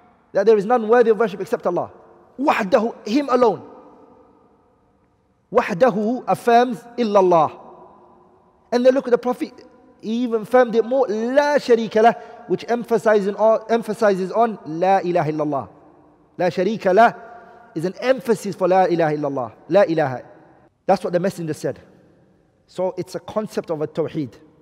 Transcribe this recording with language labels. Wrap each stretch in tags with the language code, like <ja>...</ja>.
<en>That there is none worthy of worship except Allah. Wahdahu, him alone. Wahdahu affirms illallah. And then look at the Prophet, even affirmed it more,</en> <ar>لا شريك له,</ar> <en>which emphasizes on</en> <ar>لا إله إلا الله. لا شريك له</ar> <en>is an emphasis for</en> <ar>لا إله إلا الله. لا إله.</ar> <en>That's what the Messenger said. So it's a concept of a tawheed.</en>